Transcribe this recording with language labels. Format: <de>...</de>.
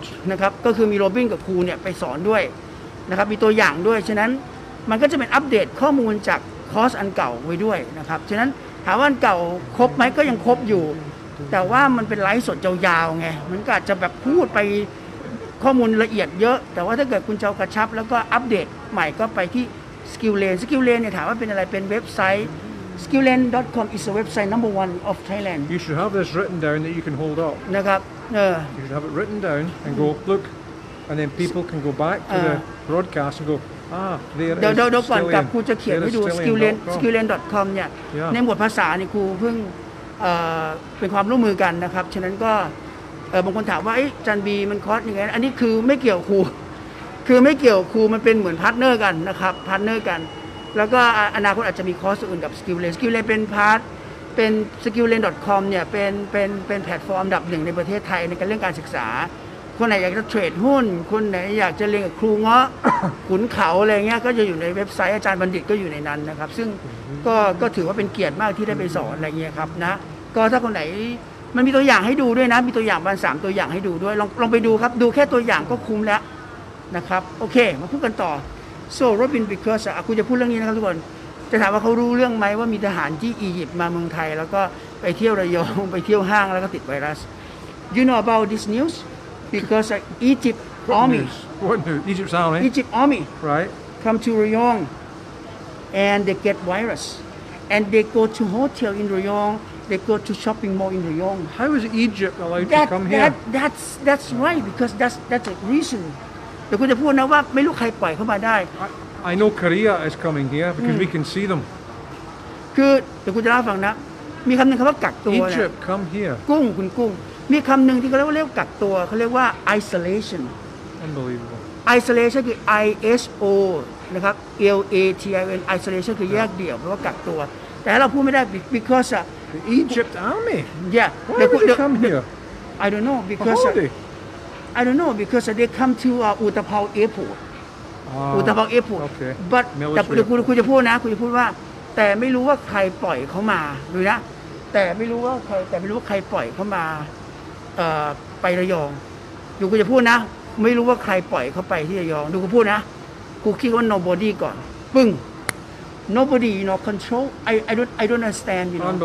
<th>นะครับก็คือมีโรบินกับครูเนี่ยไปสอนด้วยนะครับมีตัวอย่างด้วยฉะนั้นมันก็จะเป็นอัปเดตข้อมูลจากคอร์สอันเก่าไว้ด้วยนะครับฉะนั้นถามว่าอันเก่าครบไหมก็ยังครบอยู่แต่ว่ามันเป็นไลฟ์สดยาวๆไงมันก็อาจจะแบบพูดไปข้อมูลละเอียดเยอะแต่ว่าถ้าเกิดคุณจะกระชับแล้วก็อัปเดตใหม่ก็ไปที่ skilllearn skilllearn เนี่ยถามว่าเป็นอะไรเป็นเว็บไซต์</th> <en>skilllearn.com is a website number one of Thailand. You should have this written down that you can hold up.</en> <th>นะครับ</th> <en>You should have it written down and go look, and then people can go back to the broadcast and go, there is skilllearn.</en> <th>เดี๋ยวๆๆครูจะเขียนให้ดู skilllearn.com เนี่ยในหมวดภาษานี่ครูเพิ่งเป็นความร่วมมือกันนะครับฉะนั้นก็บางคนถามว่าไอ้จันบีมันคอร์สยังไงอันนี้คือไม่เกี่ยวครูมันเป็นเหมือนพาร์ทเนอร์กันนะครับพาร์ทเนอร์กันแล้วก็อนาคตอาจจะมีคอร์สอื่นกับ skilllearn skilllearn เป็นพาร์ทเป็น skilllearn.com เนี่ยเป็นแพลตฟอร์มอันดับหนึ่งในประเทศไทยในการเรื่องการศึกษาคนไหนอยากจะเทรดหุ้นคนไหนอยากจะเรียนกับครูเงาะขุนเขาอะไรเงี้ยก็จะอยู่ในเว็บไซต์อาจารย์บัณฑิตก็อยู่ในนั้นนะครับซึ่ง ก็ถือว่าเป็นเกียรติมากที่ได้ไปสอนอะไรเงี้ยครับนะก็ถ้าคนไหนมันมีตัวอย่างให้ดูด้วยนะมีตัวอย่างวัน3ตัวอย่างให้ดูด้วยลองไปดูครับดูแค่ตัวอย่างก็คุ้มแล้วนะครับโอเคมาพูดกันต่อSo Robin Bickers คุณจะพูดเรื่องนี้นะครับทุกคนจะถามว่าเขารู้เรื่องไหมว่ามีทหารที่อียิปต์มาเมืองไทยแล้วก็ไปเที่ยวระยองไปเที่ยวห้างแล้วก็ติดไวรัส</th> <en>You know about this news because Egypt army</en> <th>Egypt army</th> <en>right come to Ryong and they get virus and they go to hotel in Ryong they go to shopping mall in Ryong How is Egypt allowed that, to come here that's right because that's a reason.</en> <th>แต่คุณจะพูดนะว่าไม่รู้ใครปล่อยเข้ามาได้</th> <en>I know Korea is coming here because we can see them</en> <th>คือเดี๋ยวคุณจะเล่าฟังนะมีคำหนึ่งคำว่ากักตัว</th> <en>เนี่ย Egypt come here</en> <th>กุ้งคุณกุ้งมีคำหนึ่งที่เขาเรียกว่ากักตัวเขาเรียกว่า isolation</th> <en>unbelievable</en> <th>isolation คือ ISO นะครับ LATIN isolation คือแยกเดี่ยวแปลว่ากักตัวแต่เราพูดไม่ได้ because</th> <en>the Egypt army yeah why would they come here I don't know becauseI don't know because they come to Utapao Airport. Utapao Airport. Okay.</en> <th>But คุณจะพูดนะคุณจะพูดว่าแต่ไม่รู้ว่าใครปล่อยเขามาดูนะแต่ไม่รู้ว่าใครปล่อยเขามาไประยองอยู่คุณจะพูดนะไม่รู้ว่าใครปล่อยเขาไปที่ระยองดูคุณพูดนะคุณคิดว่า nobody ก่อนปึ้ง</th> <en>nobody no control I don't understand you know</en>